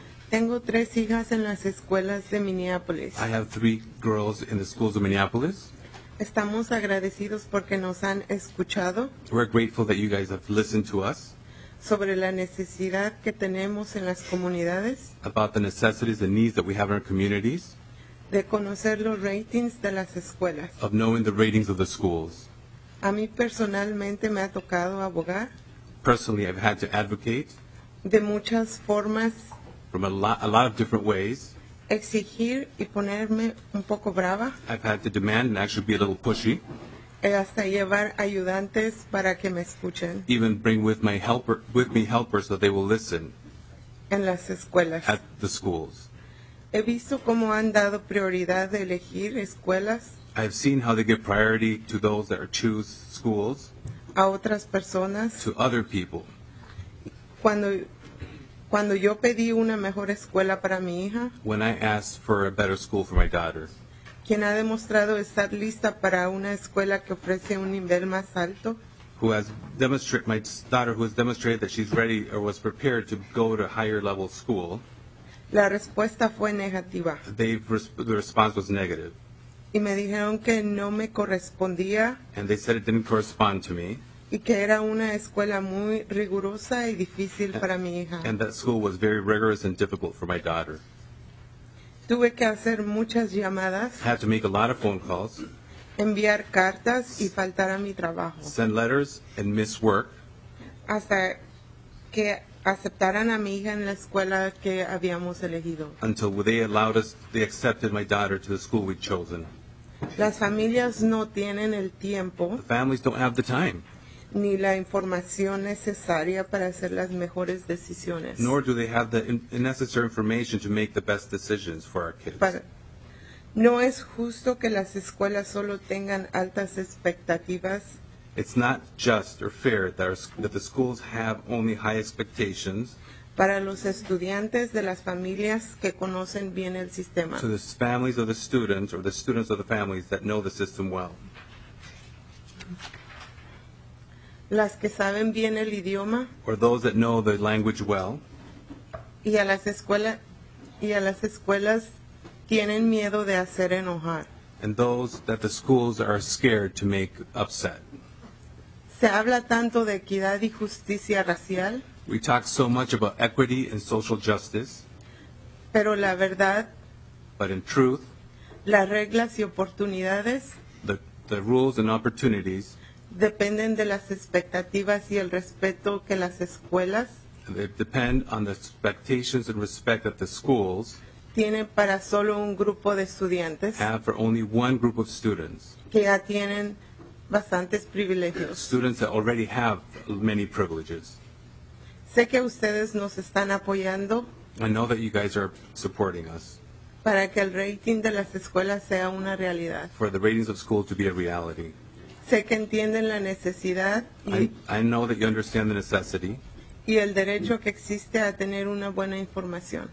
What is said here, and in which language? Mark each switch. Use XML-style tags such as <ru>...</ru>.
<es>Tengo tres hijas en las escuelas de Minneapolis.</es> <en>I have three girls in the schools of Minneapolis.</en> <es>Estamos agradecidos porque nos han escuchado.</es> <en>We're grateful that you guys have listened to us.</en> <es>Sobre la necesidad que tenemos en las comunidades.</es> <en>About the necessities and needs that we have in our communities.</en> <es>De conocer los ratings de las escuelas.</es> <en>Of knowing the ratings of the schools.</en> <es>A mí personalmente me ha tocado abogar.</es> <en>Personally, I've had to advocate.</en> <es>De muchas formas.</es> <en>From a lot of different ways.</en> <es>Exigir y ponerme un poco brava.</es> <en>I've had to demand and actually be a little pushy.</en> <es>Hasta llevar ayudantes para que me escuchen.</es> <en>Even bring with me helpers so they will listen.</en> <es>En las escuelas.</es> <en>At the schools.</en> <es>He visto cómo han dado prioridad de elegir escuelas.</es> <en>I've seen how they give priority to those that choose schools.</en> <es>A otras personas.</es> <en>To other people.</en> <es>Cuando yo pedí una mejor escuela para mi hija.</es> <en>When I asked for a better school for my daughter.</en> <es>Quien ha demostrado estar lista para una escuela que ofrece un nivel más alto.</es> <en>My daughter who has demonstrated that she's ready or was prepared to go to a higher level school.</en> <es>La respuesta fue negativa.</es> <en>The response was negative.</en> <es>Y me dijeron que no me correspondía.</es> <en>And they said it didn't correspond to me.</en> <es>Y que era una escuela muy rigurosa y difícil para mi hija.</es> <en>And that school was very rigorous and difficult for my daughter.</en> <es>Tuve que hacer muchas llamadas.</es> <en>I had to make a lot of phone calls.</en> <es>Enviar cartas y faltar a mi trabajo.</es> <en>Send letters and miss work.</en> <es>Hasta que aceptaran a mi hija en la escuela que habíamos elegido.</es> <en>Until they accepted my daughter to the school we'd chosen.</en> <es>Las familias no tienen el tiempo.</es> <en>The families don't have the time.</en> <es>ni la información necesaria para hacer las mejores decisiones.</es> <en>Nor do they have the necessary information to make the best decisions for our kids.</en> <es>No es justo que las escuelas solo tengan altas expectativas.</es> <en>It's not just or fair that the schools have only high expectations.</en> <es>Para los estudiantes de las familias que conocen bien el sistema.</es> <en>To the families of the students or the students of the families that know the system well.</en> <es>Las que saben bien el idioma.</es> <en>Or those that know the language well.</en> <es>Y a las escuelas tienen miedo de hacer enojar.</es> <en>And those that the schools are scared to make upset.</en> <es>Se habla tanto de equidad y justicia racial.</es> <en>We talk so much about equity and social justice.</en> <es>Pero la verdad.</es> <en>But in truth.</en> <es>Las reglas y oportunidades.</es> <en>The rules and opportunities.</en> <es>Dependen de las expectativas y el respeto que las escuelas.</es> <en>They depend on the expectations and respect that the schools.</en> <es>Tienen para solo un grupo de estudiantes.</es> <en>Have for only one group of students.</en> <es>Que ya tienen bastantes privilegios.</es> <en>Students that already have many privileges.</en> <es>Sé que ustedes nos están apoyando.</es> <en>I know that you guys are supporting us.</en> <es>Para que el rating de las escuelas sea una realidad.</es> <en>For the ratings of school to be a reality.</en> <es>Sé que entienden la necesidad.</es> <en>I know that you understand the necessity.</en> <es>Y el derecho que existe a tener una buena información.</es>